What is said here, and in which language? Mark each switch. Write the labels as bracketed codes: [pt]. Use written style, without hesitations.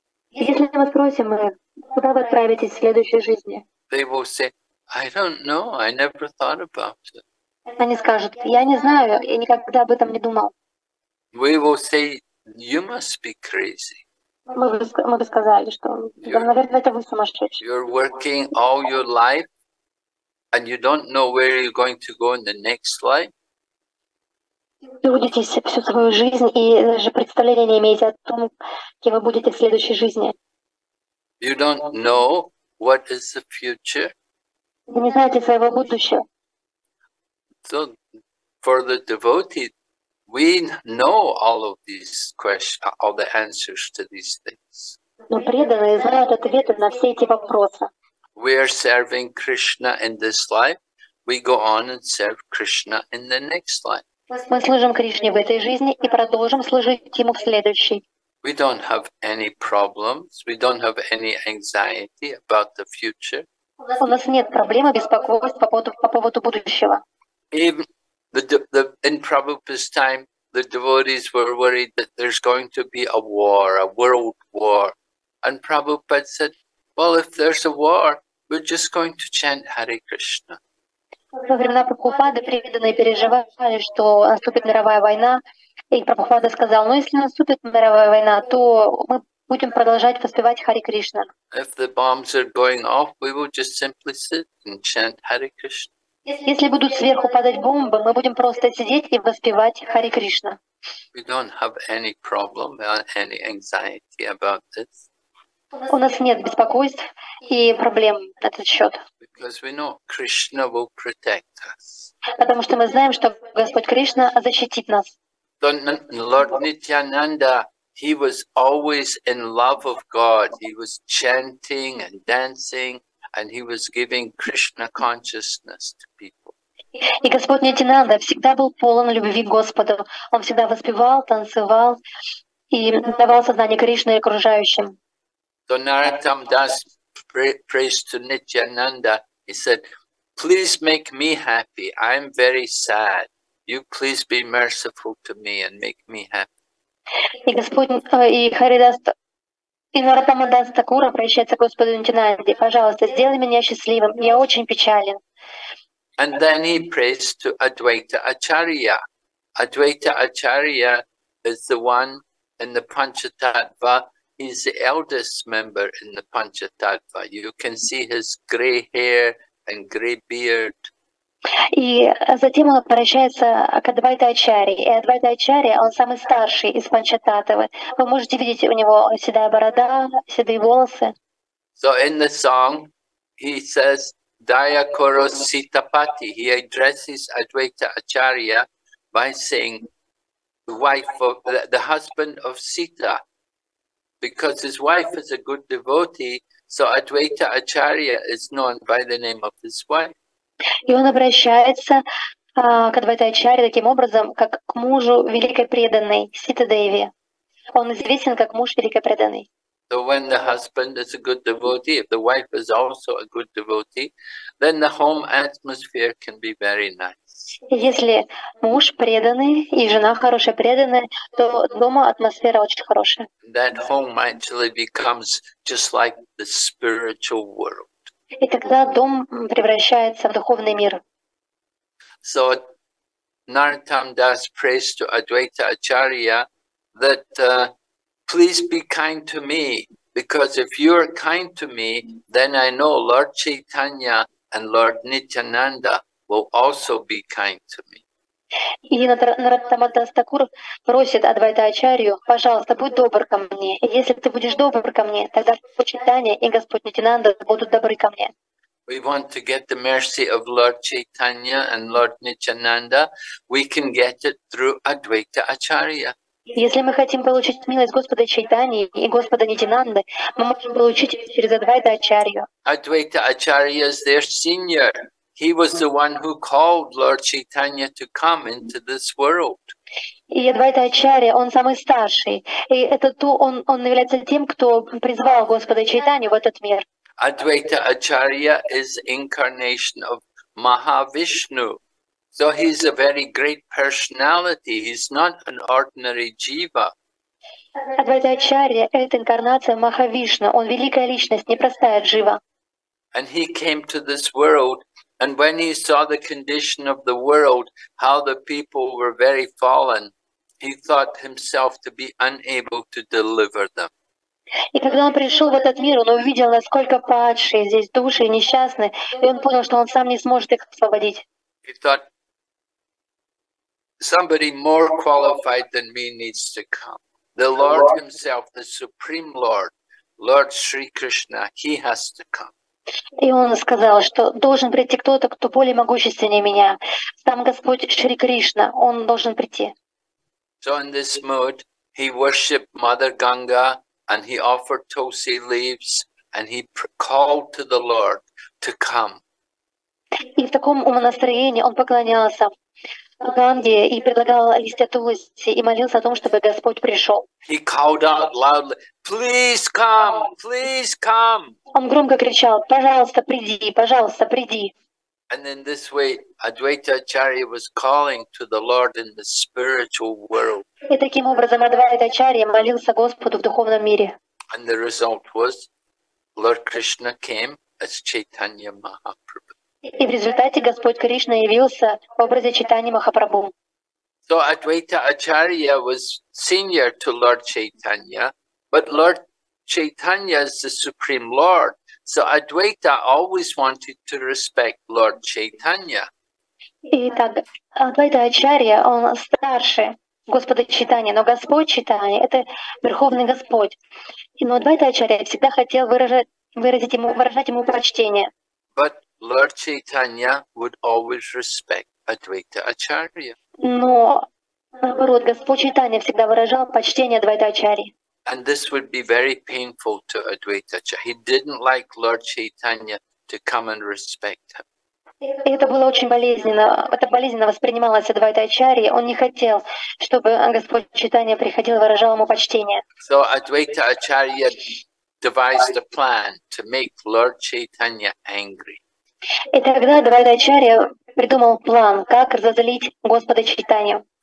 [ru] Если мы спросим их, куда вы отправитесь в следующей жизни? [en] They will say, I don't know, I never thought about it. [ru] Они скажут, я не знаю, я никогда об этом не думал. [en] We will say, you must be crazy. [ru] Мы бы сказали, что, наверное, это вы сумасшедший. [en] You're working all your life, and you don't know where you're going to go in the next life. [ru] Трудитесь всю свою жизнь и даже представления не имеете о том, кем вы будете в следующей жизни. [en] You don't know what is the future. [ru] Вы не знаете своего будущего. [en] So, for the devotee, we know all of these questions, all the answers to these things. [ru] Но преданные знают ответы на все эти вопросы. [en] We are serving Krishna in this life. We go on and serve Krishna in the next life. [ru] Мы служим Кришне в этой жизни и продолжим служить Ему в следующей. [en] We don't have any problems. We don't have any anxiety about the future. [ru] У нас нет проблем, беспокойств по поводу будущего. [en] Even in Prabhupada's time, the devotees were worried that there's going to be a war, a world war. And Prabhupada said, well, if there's a war, we're just going to chant Hare Krishna. [ru] Во времена Прабхупады преданные переживали, что наступит мировая война. И Прабхупада сказал, ну если наступит мировая война, то мы будем продолжать воспевать Хари Кришна. [en] If the bombs are going off, we will just simply sit and chant Hare Krishna. [ru] Если будут сверху падать бомбы, мы будем просто сидеть и воспевать Хари Кришна. [en] We don't have any problem or any anxiety about this. [ru] У нас нет беспокойств и проблем на этот счет. [en] Because we know Krishna will protect us. [ru] Потому что мы знаем, что Господь Кришна защитит нас. [en] Lord Nityananda, he was always in love of God. He was chanting and dancing, and he was giving Krishna consciousness to people. [ru] И Господь Нитянанда всегда был полон любви к Господу. Он всегда воспевал, танцевал и давал сознание Кришне и окружающим. [en] So Narottam Das prays to Nityananda. He said, please make me happy. I'm very sad. You please be merciful to me and make me happy. [ru] И Господь, и Харидас, и Нарадам Дас Такура прощается к Господу Нитянанде. Пожалуйста, сделай меня счастливым. Я очень печален. [en] And then he prays to Advaita Acharya. Advaita Acharya is the one in the Panchatattva. He's the eldest member in the Panchatattva. You can see his grey hair and grey beard. [ru] И затем он обращается к Адвайта Ачарье. И Адвайта Ачарья, он самый старший из Панчататвы. Вы можете видеть, у него седая борода, седые волосы. [en] So in the song, he says, Daya Koro Sitapati. He addresses Advaita Acharya by saying, the wife of the husband of Sita. Because his wife is a good devotee, so Advaita Acharya is known by the name of his wife. [ru] И он обращается к Адвайта Ачарье таким образом, как к мужу великой преданной, Сита Деви. Он известен как муж великой преданной. [en] So when the husband is a good devotee, if the wife is also a good devotee, then the home atmosphere can be very nice. [ru] Если муж преданный и жена хорошая преданная, то дома атмосфера очень хорошая. [en] That home actually becomes just like the spiritual world. [ru] И тогда дом превращается в духовный мир. [en] So Narottam Das prays to Advaita Acharya that please be kind to me, because if you are kind to me, then I know Lord Chaitanya and Lord Nityananda will also be kind to me. [ru] И Narottam Das Thakur просит Адвайта Ачарью, пожалуйста, будь добр ко мне. И если ты будешь добр ко мне, тогда Господь Чайтанья и Господь Нитянанда будут добры ко мне. [en] We want to get the mercy of Lord Chaitanya and Lord Nityananda. We can get it through Advaita Acharya. [ru] Если мы хотим получить милость Господа Чайтаньи и Господа Нитянанды, мы можем получить ее через Адвайта Ачарью. [en] Advaita Acharya is their senior. He was the one who called Lord Chaitanya to come into this world. [ru] И Адвайта Ачарья, он самый старший. И это то, он является тем, кто призвал Господа Чайтанью в этот мир. [en] Advaita Acharya is incarnation of Mahavishnu. So he's a very great personality. He's not an ordinary jiva. [ru] Адвайта Ачарья — это инкарнация Махавишну. Он великая личность, непростая джива. [en] And he came to this world. And when he saw the condition of the world, how the people were very fallen, he thought himself to be unable to deliver them. [ru] И когда он пришел в этот мир, он увидел, насколько падшие здесь души, несчастны, и он понял, что он сам не сможет их освободить. [en] He thought, somebody more qualified than me needs to come. The Lord himself, the Supreme Lord, Lord Sri Krishna, he has to come. [ru] И он сказал, что должен прийти кто-то, кто более могущественнее меня. Сам Господь Шри Кришна, он должен прийти. [en] So in this mood, he worshipped Mother Ganga, and he offered tulsi leaves, and he called to the Lord to come. [ru] И в таком настроении он поклонялся Ганди и предлагал листья тулоси и молился о том, чтобы Господь пришел. [en] He called out loudly, "Please come, please come." [ru] Он громко кричал: "Пожалуйста, приди, пожалуйста, приди." [en] And in this way, Advaita Acharya was calling to the Lord in the spiritual world. [ru] И таким образом Адвайта Ачарья молился Господу в духовном мире. [en] And the result was, Lord Krishna came as Chaitanya Mahaprabhu. [ru] И в результате Господь Кришна явился в образе Чайтаньи Махапрабху. [en] So Advaita Acharya was senior to Lord Chaitanya, but Lord Chaitanya is the Supreme Lord. So Advaita always wanted to respect Lord Chaitanya. [ru] Итак, Адвайта Ачарья, он старше Господа Чайтанья, но Господь Чайтанья — это Верховный Господь. Но Адвайта Ачарья всегда хотел выражать ему почтение. [en] But Lord Chaitanya would always respect Advaita Acharya. [ru] Но наоборот, Господь Чайтанья всегда выражал почтение Адвайта Ачарьи. [en] And this would be very painful to Advaita Acharya. He didn't like Lord Chaitanya to come and respect him. [ru] Это было очень болезненно. Это болезненно воспринималось Адвайта Ачарьи. Он не хотел, чтобы Господь Чайтанья приходил и выражал ему почтение. [en] So Advaita Acharya devised a plan to make Lord Chaitanya angry. [ru] И тогда Адвайта Ачарья придумал план, как разозлить Господа Чайтанью.